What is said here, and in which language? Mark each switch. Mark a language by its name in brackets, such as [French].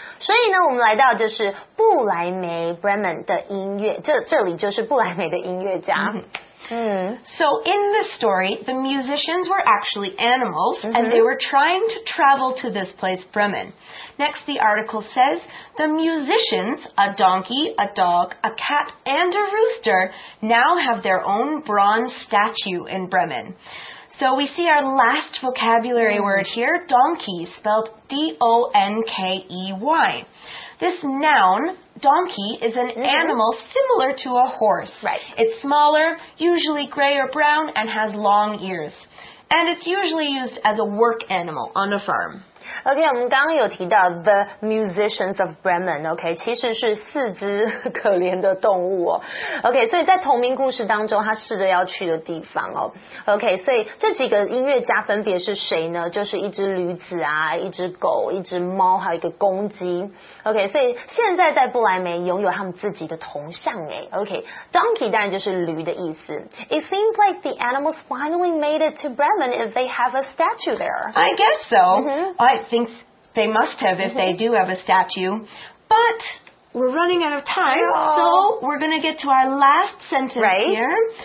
[Chinese] 所以呢，我们来到就是布莱梅 Bremen 的音乐，这里就是布莱梅的音乐家。 [English] So in this story, the musicians were actually animals, and they were trying to travel to this place, Bremen. Next, the article says, the musicians, a donkey, a dog, a cat, and a rooster, now have their own bronze statue in Bremen. So we see our last vocabulary word here, donkey, spelled D-O-N-K-E-Y. This noun, donkey, is an animal similar to a horse. Right. It's smaller, usually gray or brown, and has long ears. And it's usually used as a work animal on a farm. [Chinese] Okay, 我们刚刚有提到 the musicians of Bremen, okay, 其实是四只可怜的动物哦。 Okay, 所以在同名故事当中，他试着要去的地方哦。 Okay, 所以这几个音乐家分别是谁呢？就是一只驴子啊，一只狗，一只猫，还有一个公鸡。 Okay, 所以现在在布莱梅拥有他们自己的铜像诶。 Okay, donkey 当然就是驴的意思。 [English] It seems like the animals finally made it to Bremen if they have a statue there. I guess so. I think they must have if they do have a statue. But we're running out of time, so we're going to get to our last sentence here.